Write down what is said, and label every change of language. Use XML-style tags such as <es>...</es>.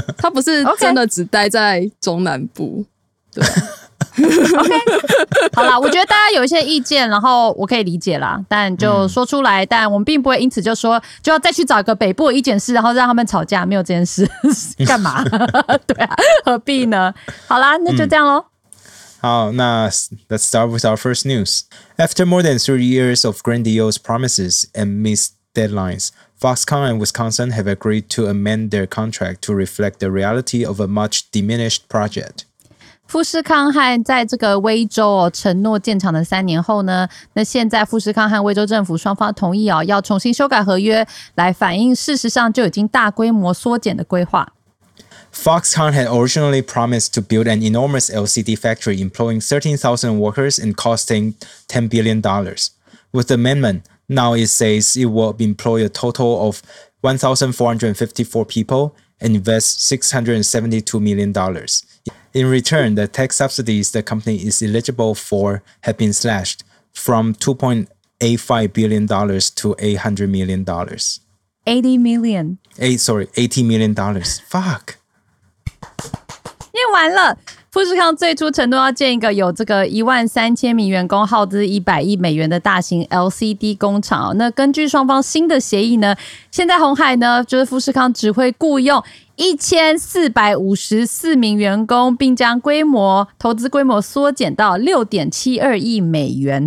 <zh>他不是真的只待在中南部。 okay. 对。 OK， 好啦，我觉得大家有一些意见，然后我可以理解啦，但就说出来、嗯、但我们并不会因此就说就要再去找个北部的意见室然后让他们吵架，没有这件事干嘛？对啊，何必呢？好啦，那就这样咯、嗯、</zh> <en>好，那 Let's start with our first news. After more than 3 years of grandiose promises and missed deadlines, Foxconn and Wisconsin have agreed to amend their contract to reflect the reality of a much diminished project.</en> <zh>富士康和在这个威州哦承诺建厂的三年后呢，那现在富士康和威州政府双方同意哦要重新修改合约，来反映事实上就已经大规模缩减的规划。</zh> <en>Foxconn had originally promised to build an enormous LCD factory employing 13,000 workers and costing $10 billion. With the amendment, now it says it will employ a total of 1,454 people and invest $672 million. In return, the tax subsidies the company is eligible for have been slashed from $2.85 billion to $800 million. $80 million. Fuck.</en> <zh>念完了，富士康最初承诺要建一个有这个13000名员工、耗资100亿美元的大型 LCD 工厂。那根据双方新的协议呢，现在鸿海呢，就是富士康只会雇用1454名员工，并将规模投资规模缩减到6.72亿美元。</zh>